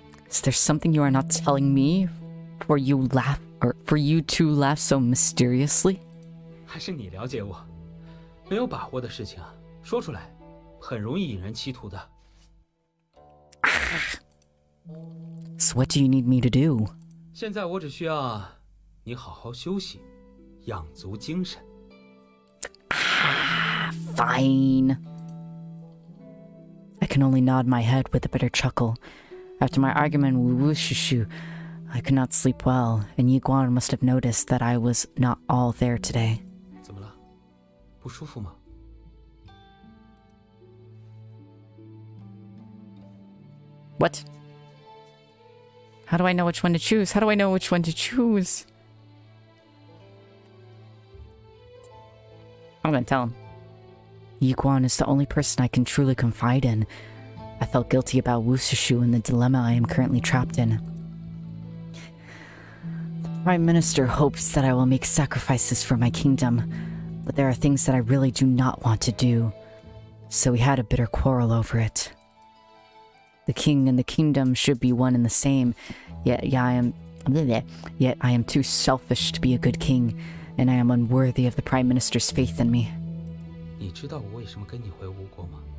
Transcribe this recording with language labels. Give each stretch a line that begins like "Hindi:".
English: Is there something you are not telling me? For you laugh, or for you to laugh so mysteriously?
Chinese: 还是你了解我，没有把握的事情说出来，很容易引人歧途的。
English: So what do you need me to do?
Chinese: 现在我只需要你好好休息，养足精神。
English: Fine. I can only nod my head with a bitter chuckle. After my argument with Wushishu, I could not sleep well, and Yi Guan must have noticed that I was not all there today.
Chinese: 怎么了？不舒服吗？
English: What? How do I know which one to choose? I'm gonna tell him. Yi Guan is the only person I can truly confide in. I felt guilty about Wushishu and the dilemma I am currently trapped in. The Prime Minister hopes that I will make sacrifices for my kingdom, but there are things that I really do not want to do, so we had a bitter quarrel over it. The king and the kingdom should be one and the same, yet I am too selfish to be a good king, and I am unworthy of the Prime Minister's faith in me.
Chinese: 你知道我为什么跟你回吴国吗？